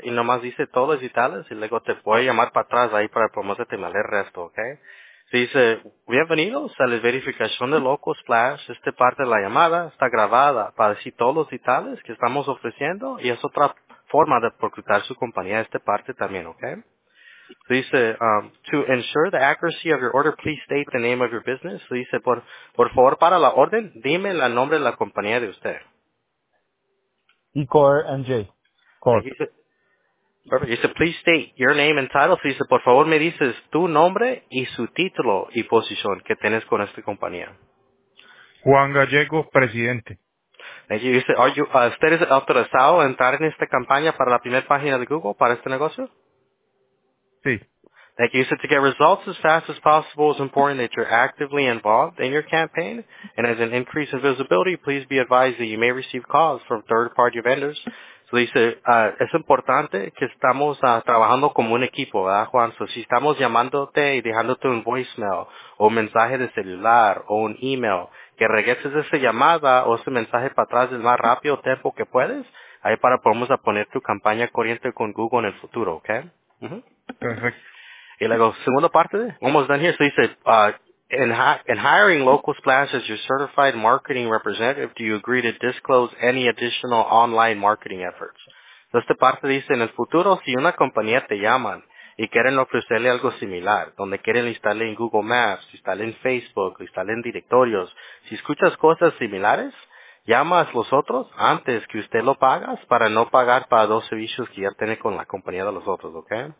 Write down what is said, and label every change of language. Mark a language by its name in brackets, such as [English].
[Spanish] Y nomás dice todos los detalles. Y luego te voy a llamar para atrás ahí para promocionarte y me lee el resto, ¿ok? Se dice, bienvenidos a la verificación de Local Splash. Esta parte de la llamada está grabada para decir todos los detalles que estamos ofreciendo. Y es otra forma de procurar su compañía esta parte también, ¿ok? [English] So you say, to ensure the accuracy of your order, please state the name of your business. So you say, [Spanish] por favor, para la orden, dime el nombre de la compañía de usted. Ecor NJ. Ecor. [English] Perfect. You say, please state your name and title. [Spanish] So you say, por favor, me dices tu nombre y su título y posición que tienes con esta compañía. Juan Gallego, presidente. [English] Thank you. You say, [Spanish] ¿usted es autorizado a entrar en esta campaña para la primera página de Google para este negocio? [English] Thank you. You said to get results as fast as possible, it's important that you're actively involved in your campaign. And as an increase in visibility, please be advised that you may receive calls from third-party vendors. So they said, [Spanish] es importante que estamos trabajando como un equipo, ¿verdad, Juan? So si estamos llamándote y dejándote un voicemail o un mensaje de celular o un email, que regreses esa llamada o ese mensaje para atrás el más rápido tiempo que puedes, ahí para podemos poner tu campaña corriente con Google en el futuro, ¿ok? Mm-hmm. [English] Perfect. [Spanish] Y luego, segunda parte, [English] almost done here, so you say, In hiring Locals Plans as your certified marketing representative, do you agree to disclose any additional online marketing efforts? [Spanish] Entonces, esta parte dice, en el futuro, si una compañía te llaman y quieren ofrecerle algo similar, donde quieren instalarle en Google Maps, instalarle en Facebook, instalarle en directorios, si escuchas cosas similares, llamas los otros antes que usted lo pagas para no pagar para dos servicios que ya tiene con la compañía de los otros, ¿ok?